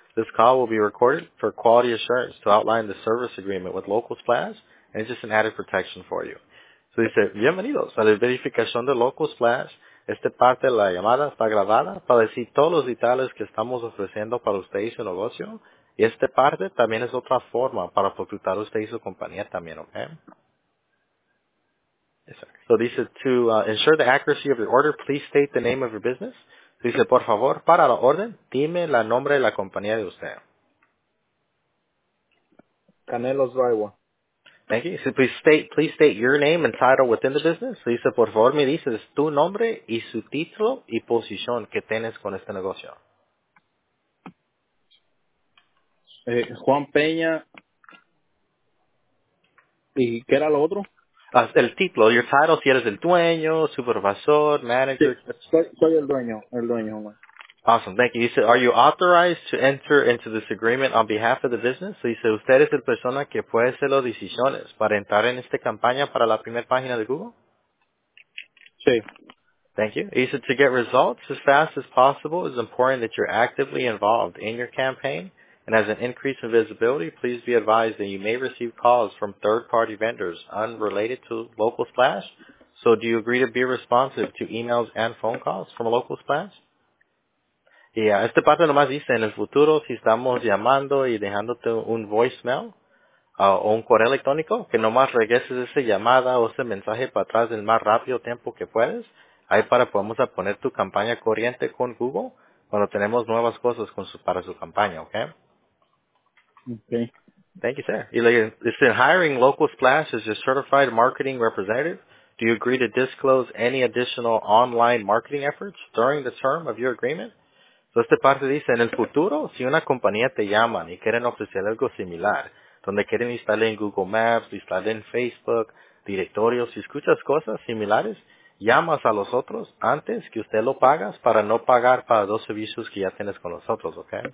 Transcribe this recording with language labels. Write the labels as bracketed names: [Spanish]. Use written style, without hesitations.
[English] This call will be recorded for quality assurance to outline the service agreement with Local Splash, and it's just an added protection for you. [Spanish] So dice, bienvenidos a la verificación de Local Splash. Esta parte de la llamada está grabada para decir todos los detalles que estamos ofreciendo para usted y su negocio. Y esta parte también es otra forma para facultar usted y su compañía también, ¿ok? [English] So dice, to ensure the accuracy of your order, please state the name of your business. [Spanish] So dice, por favor, para la orden, dime el nombre de la compañía de usted. Canelos Raiwa. [English] Thank you. So please state your name and title within the business. [Spanish] So dice, por favor, me dices tu nombre y su título y posición que tienes con este negocio. Juan Peña. ¿Y qué era lo otro? El título, [English] your title, [Spanish] si eres el dueño, supervisor, manager. Sí, soy el dueño. [English] Awesome, thank you. He said, are you authorized to enter into this agreement on behalf of the business? So he said, [Spanish] usted es la persona que puede hacer las decisiones para entrar en esta campaña para la primera página de Google? Sí. [English] Thank you. He said, to get results as fast as possible, it's important that you're actively involved in your campaign. And as an increase in visibility, please be advised that you may receive calls from third-party vendors unrelated to Local Splash. So do you agree to be responsive to emails and phone calls from Local Splash? [Spanish] Y a este parte nomás dice, en el futuro, si estamos llamando y dejándote un voicemail o un correo electrónico, que nomás regreses esa llamada o ese mensaje para atrás el más rápido tiempo que puedes, ahí para podemos poner tu campaña corriente con Google cuando tenemos nuevas cosas con su, para su campaña, ¿ok? [English] Ok. Thank you, sir. [Spanish] Y le dice, [English] hiring Local Splash as your certified marketing representative. Do you agree to disclose any additional online marketing efforts during the term of your agreement? [Spanish] So esta parte dice, en el futuro, si una compañía te llama y quieren ofrecer algo similar, donde quieren instalar en Google Maps, instalar en Facebook, directorios, si escuchas cosas similares, llamas a los otros antes que usted lo pagas para no pagar para dos servicios que ya tienes con los otros, ¿ok?